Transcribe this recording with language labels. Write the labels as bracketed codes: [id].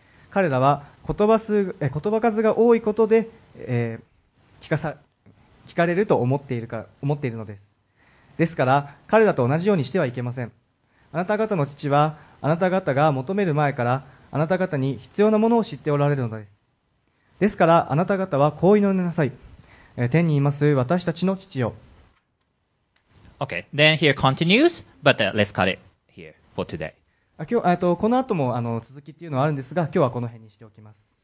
[ja] 彼らは言葉数が多いことで、聞かれると思っているのです。ですから彼らと同じようにしてはいけません。あなた方の父はあなた方が求める前からあなた方に必要なものを知っておられるのです。ですからあなた方はこう祈りなさい。天にいます私たちの父よ。 [en] Okay, then here continues, but let's cut it here for today. [ja] 今日この後も続きっていうのはあるんですが、今日はこの辺にしておきます。